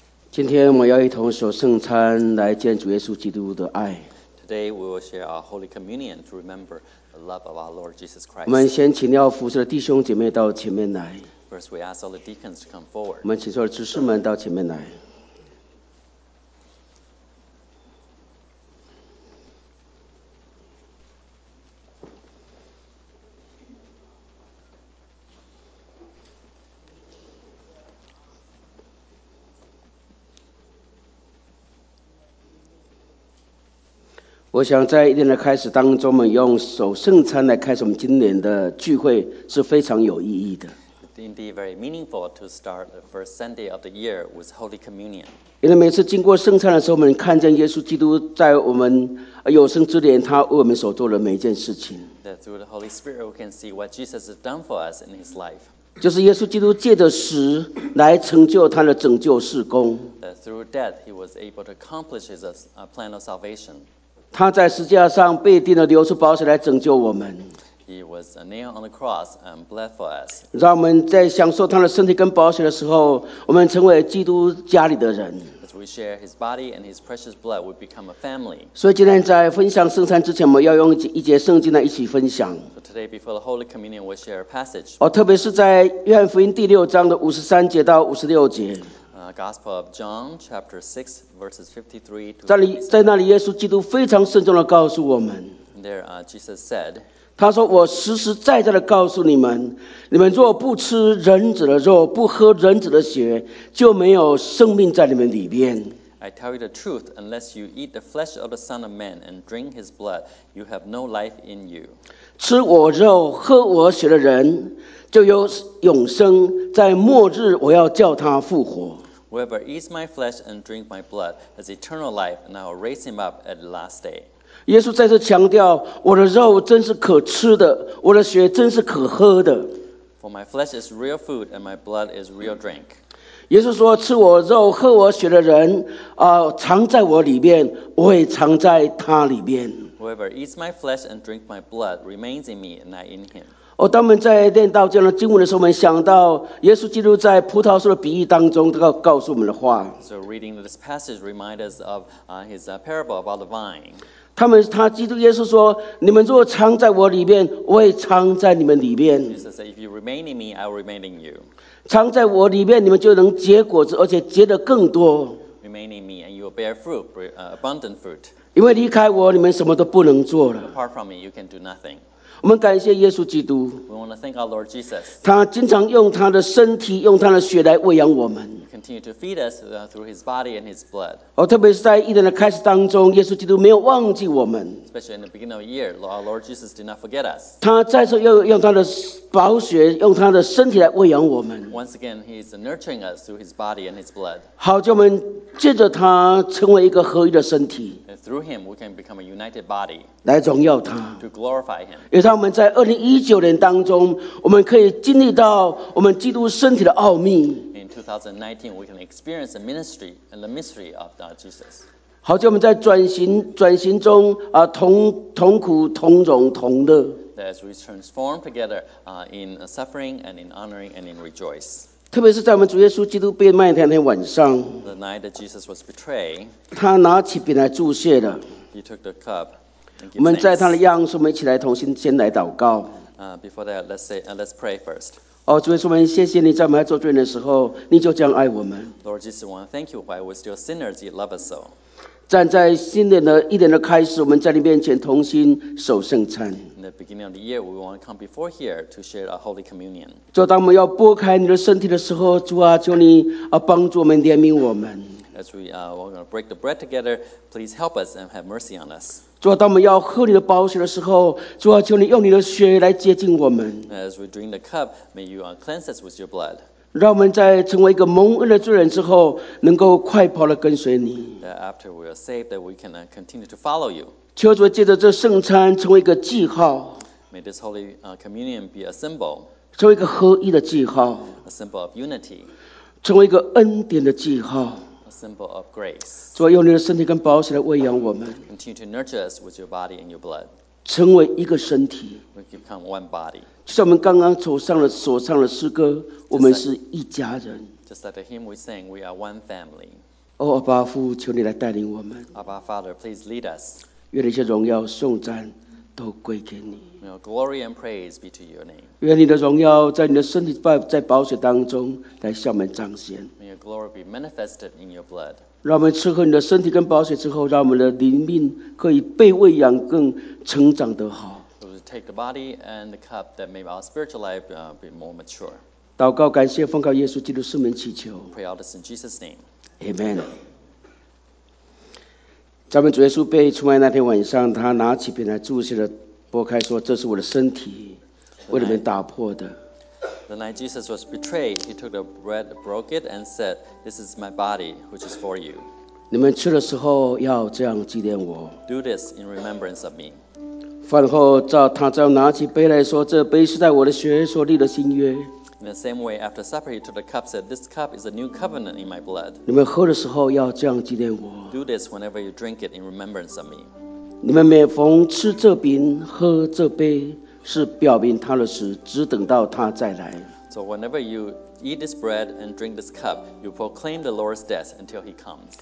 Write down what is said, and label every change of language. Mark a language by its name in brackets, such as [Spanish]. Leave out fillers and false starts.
[Chinese] 今天我们要一同守圣餐来见主耶稣基督的爱。 [English] Today we will share our Holy Communion to remember the love of our Lord Jesus Christ. [Chinese] 我们先请要服侍的弟兄姐妹到前面来。 [English] First we ask all the deacons to come forward. [Chinese] 我们请坐的执事们到前面来。我想在一年的开始当中，我们用守圣餐来开始我们今年的聚会是非常有意义的。 [English] Indeed, very meaningful to start the first Sunday of the year with Holy Communion. [Chinese] 因为每次经过圣餐的时候，我们看见耶稣基督在我们有生之年，他为我们所做的每一件事情。 [English] That through the Holy Spirit, we can see what Jesus has done for us in His life. [Chinese] 就是耶稣基督借着死来成就他的拯救事工。 [English] That through death, He was able to accomplish His plan of salvation. [Chinese] 他在十字架上被钉了，流出宝血来拯救我们。 [English] He was nailed on the cross and bled for us. [Chinese] 让我们在享受他的身体跟宝血的时候，我们成为基督家里的人。 [English] As we share his body and his precious blood, we become a family. [Chinese] 所以今天在分享圣餐之前，我们要用一节圣经来一起分享。 [English] So today, before the Holy Communion, we'll share a passage. [Chinese] 特别是在约翰福音第六章的五十三节到五十六节。 [English] Gospel of John, chapter 6, verses 53 to 57. [Chinese] 在那里，耶稣基督非常慎重地告诉我们。 [English] There, Jesus said, [Chinese] 他说，我实实在在地告诉你们，你们若不吃人子的肉，不喝人子的血，就没有生命在你们里边。 [English] I tell you the truth, unless you eat the flesh of the Son of Man and drink his blood, you have no life in you. [Chinese] 吃我肉喝我血的人就有永生，在末日我要叫他复活。 [English] Whoever eats my flesh and drink my blood has eternal life, and I will raise him up at the last day. [Chinese] 耶稣再次强调，我的肉真是可吃的，我的血真是可喝的。 [English] For my flesh is real food, and my blood is real drink. [Chinese] 耶稣说，吃我肉、喝我血的人，藏在我里面，我也藏在他里面。 [English] Whoever eats my flesh and drink my blood remains in me, and I in him. [Chinese] 当我们在念到这样的经文的时候，我们想到耶稣基督在葡萄树的比喻当中告诉我们的话。 [English] So reading this passage reminds us of his parable about the vine. [Chinese] 他基督耶稣说，你们若藏在我里面，我也藏在你们里面。 [English] Jesus said, if you remain in me, I will remain in you. [Chinese] 藏在我里面，你们就能结果子，而且结得更多。 [English] Remain in me, and you will bear fruit, abundant fruit. [Chinese] 因为离开我，你们什么都不能做了。 [English] Apart from me, you can do nothing. [Chinese] 我们感谢耶稣基督。 [English] We want to thank our Lord Jesus. [Chinese] 他经常用他的身体，用他的血来喂养我们。 [English] Continue to feed us through his body and his blood. [Chinese] 特别是在一年的开始当中，耶稣基督没有忘记我们。 [English] Especially in the beginning of the year, our Lord Jesus did not forget us. [Chinese] 他再次用他的宝血，用他的身体来喂养我们。 [English] Once again, he is nurturing us through his body and his blood. [Chinese] 好叫我们借着他成为一个合一的身体。 [English] And through him, we can become a united body. [Chinese] 来荣耀他。 [English] To glorify him. [Chinese] 让我们在2019年当中，我们可以经历到我们基督身体的奥秘。 [English] In 2019, we can experience the ministry and the mystery of Jesus. [Chinese] 好像我们在转型中同苦同荣同乐。 [English] As we transform together in suffering and in honoring and in rejoice. [Chinese] 特别是在我们主耶稣基督被卖那天晚上 [English] ，The night that Jesus was betrayed, [Chinese] 他拿起饼来祝谢的。 [English] He took the cup. [Chinese] 我们在他的样式，我们一起来同心先来祷告。 [English] Before that, let's pray first. [Chinese] 主耶稣，我们谢谢你，在我们还做罪人的时候，你就这样爱我们。 [English] Lord Jesus, I want to thank you while we're still sinners, you love us so. [Chinese] 站在新年的一年的开始，我们在你面前同心守圣餐。 [English] In the beginning of the year, we want to come before here to share a holy communion. [Chinese] 主，当我们要拨开你的身体的时候，主啊，求你帮助我们，怜悯我们。 [English] As we're going to break the bread together, please help us and have mercy on us. [Chinese] 主啊，当我们要喝你的宝血的时候，主啊，求你用你的血来洁净我们。 [English] As we drink the cup, may you cleanse us with your blood. [Chinese] 让我们在成为一个蒙恩的罪人之后，能够快跑地跟随你。 [English] That after we are saved, that we can continue to follow you. [Chinese] 求主借着这圣餐成为一个记号。 [English] May this holy communion be a symbol. [Chinese] 成为一个合一的记号。 [English] A symbol of unity. [Chinese] 成为一个恩典的记号。 [English] Symbol of grace. [Chinese] 主啊，用你的身体跟宝血来喂养我们。 [English] Continue to nurture us with your body and your blood. [Chinese] 成为一个身体。 [English] We become one body. [Chinese] 就像我们刚刚所唱的诗歌，我们是一家人。 [English] Just like the hymn we sang, we are one family. [Chinese] 阿爸父，求你来带领我们。 [English] Abba Father, please lead us. [Chinese] 愿你的荣耀颂赞都归给你。 [English] May your glory and praise be to your name. [Chinese] 愿你的荣耀在你的身体在宝血当中来向我们彰显。 [English] Glory be manifested in your blood. [Chinese] 让我们吃喝你的身体跟宝血之后，让我们的灵命可以被喂养，更成长得好。 [English] We will take the body and the cup that make our spiritual life be more mature. [Chinese] 祷告感谢奉靠耶稣基督圣名祈求。 [English] Pray all this in Jesus' name. Amen. [Chinese] 咱们主耶稣被出卖那天晚上，他拿起饼来祝谢的，擘开说：“这是我的身体，为你们打破的。” [English] The night Jesus was betrayed, he took the bread, broke it, and said, "This is my body, which is for you." [Chinese] 你们吃的时候要这样纪念我。 [English] Do this in remembrance of me. [Chinese] 饭后，他再拿起杯来说，这杯是在我的血所立的新约。 [English] In the same way, after supper, he took the cup, said, "This cup is a new covenant in my blood." [Chinese] 你们喝的时候要这样纪念我。 [English] Do this whenever you drink it in remembrance of me. [Chinese] 你们每逢吃这饼，喝这杯。是表明他的死，只等到他再来。 [English] So whenever you eat this bread and drink this cup, you proclaim the Lord's death until he comes.